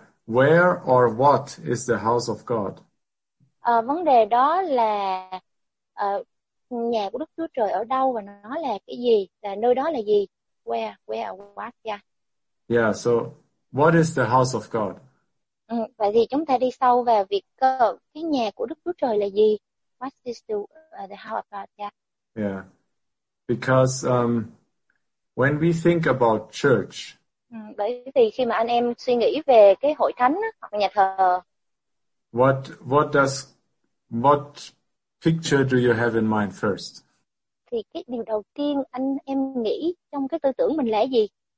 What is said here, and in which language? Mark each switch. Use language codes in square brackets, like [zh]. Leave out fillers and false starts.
[en] Where or what is the house of God? [vi] Vấn đề đó là nhà của Đức Chúa Trời ở đâu và nó là cái gì, là nơi đó là gì? [en] Where or what? Yeah. Yeah, so what is the house of God? [vi] Vậy thì chúng ta đi sâu vào việc cái nhà của Đức Chúa Trời là gì? [en] What is the house of God? Yeah. Yeah. Because when we think about church, [vi] bởi vì khi mà anh em suy nghĩ về cái hội thánh hoặc nhà thờ, [en] what picture do you have in mind first? [vi] Thì cái điều đầu tiên anh em nghĩ trong cái tư tưởng mình là gì?